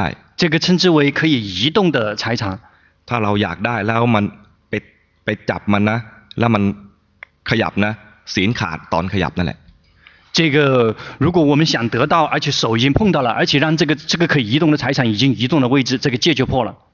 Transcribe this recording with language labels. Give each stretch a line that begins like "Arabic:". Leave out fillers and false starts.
Chinese: 这个称之为可以移动的财产
Thai: ถ้าเราอยากได้แล้วมันไปจับมันนะแล้วมันขยับนะศีลขาดตอนขยับนั่นแหละ
Chinese: 这个如果我们想得到而且手已经碰到了而且让这个可以移动的财产已经移动的位置这个戒就破了